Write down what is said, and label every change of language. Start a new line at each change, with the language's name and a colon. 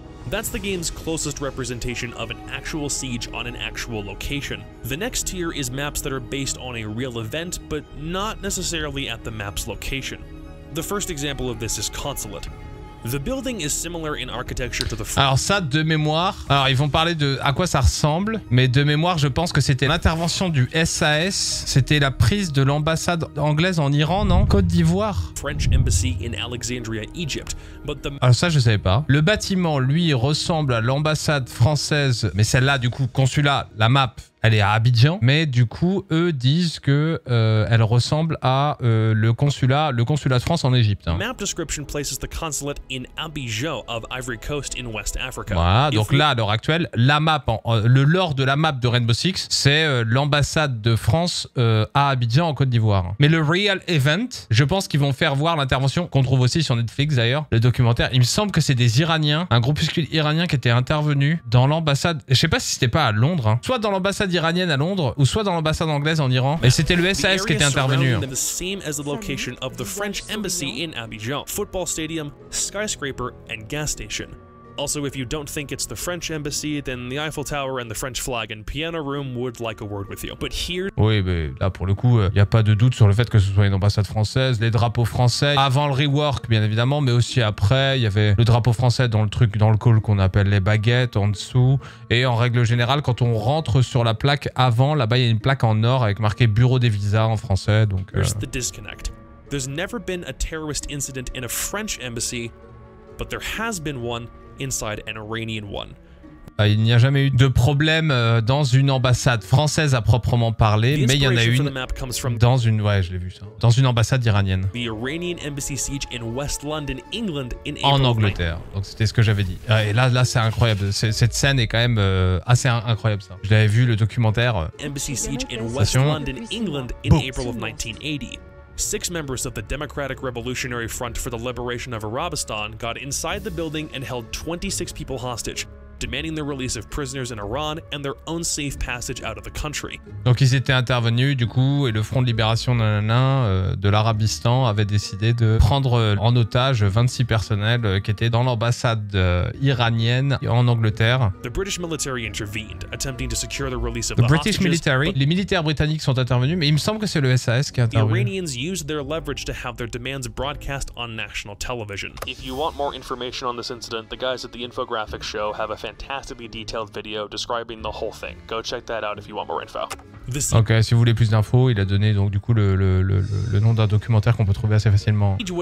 English: That's the game's closest representation of an actual siege on an actual location. The next tier is maps that are based on a real event, but not necessarily at the map's location. The first example of this is Consulate. The building is similar in architecture to the front.
French: Alors ça, de mémoire, alors ils vont parler de à quoi ça ressemble, mais de mémoire, je pense que c'était l'intervention du SAS, c'était la prise de l'ambassade anglaise en Iran, non? Côte d'Ivoire.
English: French Embassy in Alexandria, Egypt. But the...
French: Alors ça, je savais pas. Le bâtiment, lui, ressemble à l'ambassade française, mais celle-là, du coup, consulat, la map, elle est à Abidjan, mais du coup, eux disent que elle ressemble à le consulat de France en Égypte.
English: Hein. Map description places the consulate in Abidjan of Ivory Coast in West Africa.
French: Voilà, donc là, à l'heure actuelle, la map, le lore de la map de Rainbow Six, c'est l'ambassade de France à Abidjan en Côte d'Ivoire. Mais le
English: real event,
French: je pense qu'ils vont faire voir l'intervention qu'on trouve aussi sur Netflix d'ailleurs, le documentaire. Il me semble que c'est des Iraniens, un groupuscule iranien qui était intervenu dans l'ambassade. Je sais pas si c'était pas à Londres, hein. Soit dans l'ambassade iranienne à Londres ou soit dans l'ambassade anglaise en Iran, mais c'était le SAS qui était intervenu.
English: The same as the location of the French embassy in Abidjan, football stadium, skyscraper and gas station. Also, if you don't think it's the French embassy, then the Eiffel Tower and the French flag and piano room would like a word with you. But here...
French: Oui, mais là, pour le coup, il n'y a pas de doute sur le fait que ce soit une ambassade française, les drapeaux français, avant le rework, bien évidemment, mais aussi après, il y avait le drapeau français dans le truc, dans le col qu'on appelle les baguettes, en dessous. Et en règle générale, quand on rentre sur la plaque avant, là-bas, il y a une plaque en or avec marqué bureau des visas en français, donc...
English: Here's the disconnect. There's never been a terrorist incident in a French embassy, but there has been one inside an Iranian one.
French: Il n'y a jamais eu de problème dans une ambassade française à proprement parler, mais il y en a une dans une... Ouais, je l'ai vu ça. Dans une ambassade iranienne.
English: The Iranian embassy siege in West London, England, in April
French: 9. En Angleterre. Donc c'était ce que j'avais dit. Et là c'est incroyable. Cette scène est quand même assez incroyable, ça. Je l'avais vu, le documentaire.
English: Embassy siege in West London, England, in April of 1980. Six members of the Democratic Revolutionary Front for the Liberation of Arabistan got inside the building and held 26 people hostage, demanding the release of prisoners in Iran and their own safe passage out of the country.
French: Donc ils étaient intervenus du coup, et le Front de Libération de l'Arabistan avait décidé de prendre en otage 26 personnels qui étaient dans l'ambassade iranienne en Angleterre.
English: The British military intervened, attempting to secure the release of the British military.
French: Les militaires britanniques sont intervenus, mais il me semble que c'est le SAS qui est intervenu.
English: The Iranians used their leverage to have their demands broadcast on national television. If you want more information on this incident, the guys at the Infographics show have a fantastically detailed video describing the whole thing. Go check that out if you want more info.
French: Ok, si vous voulez plus d'infos, il a donné donc du coup le nom d'un documentaire qu'on peut trouver assez facilement.